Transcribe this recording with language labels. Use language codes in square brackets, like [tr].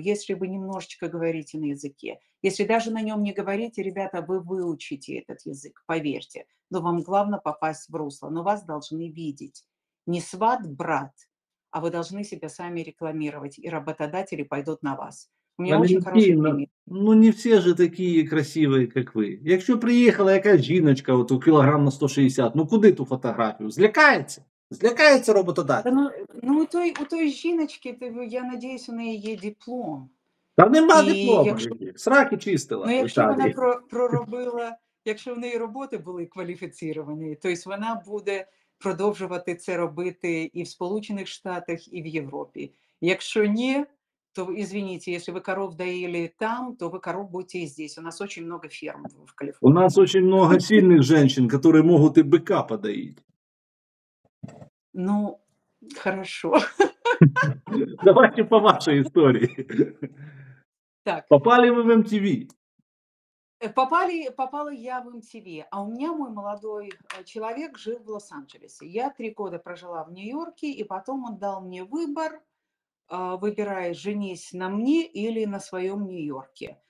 [ru] Если вы немножечко говорите на языке, если даже на нем не говорите, ребята, вы выучите этот язык, поверьте. Но вам главное попасть в русло. Но вас должны видеть. Не сват, брат, а вы должны себя сами рекламировать, и работодатели пойдут на вас. У меня очень хороший пример. Ну, не все же такие красивые, как вы. [uk] Якщо приехала якась жіночка, от у кілограм на 160, ну куди ту фотографію? Злякається? Злякається роботодатель? У той жіночки, я надіюсь, у неї є диплом. Та нема диплома. Сраки чистила. Ну, якщо вона проробила, якщо в неї роботи були кваліфіковані, то есть вона буде продовжувати це робити і в Сполучених Штатах, і в Європі. Якщо ні, то, извините, якщо ви коров доїли там, то ви коров будете і здесь. У нас дуже багато ферм в Каліфорнії. У нас дуже багато сильних жінок, які можуть і бика подоїти. [ru] Ну, хорошо. [uk] Давайте по вашій історії. Так. Попали ви в MTV? [ru] Попала я в MTV, а у меня мой молодой человек жил в Лос-Анджелесе. Я 3 года прожила в Нью-Йорке, и потом он дал мне выбор, выбирая, женись на мне или на своем Нью-Йорке.